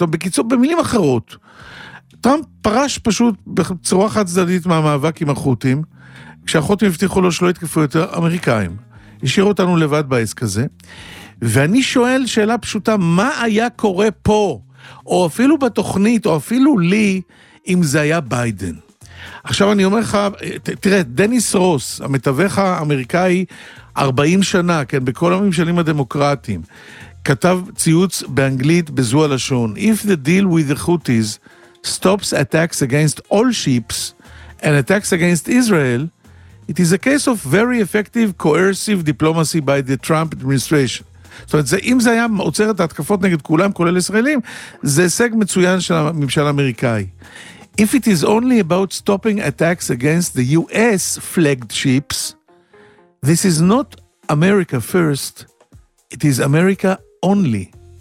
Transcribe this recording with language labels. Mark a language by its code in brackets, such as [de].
[he] זאת אומרת, בקיצור, במילים אחרות, טראמפ פרש פשוט בצורה חד צדדית מהמאבק עם החות'ים, כשהחות'ים הבטיחו לו שלא יתקפו יותר אמריקאים. השאירו אותנו לבד בעסק הזה. ואני שואל שאלה פשוטה, מה היה קורה פה, או אפילו בתוכנית, או אפילו לי, אם זה היה ביידן? עכשיו אני אומר לך, תראה, דניס רוס, המתווך האמריקאי, 40 שנה, כן, בכל הממשלים הדמוקרטיים, כתב ציוץ באנגלית בזו הלשון, [en] If the deal with the Houthis stops attacks against all ships and attacks against Israel, it is a case of very effective coercive diplomacy by the Trump administration. [he] זאת אומרת, זה, אם זה היה עוצר את ההתקפות נגד כולם, כולל ישראלים, זה הישג מצוין של הממשל האמריקאי. [en] If it is only about stopping attacks against the US flagged ships, this is not America first, it is America only.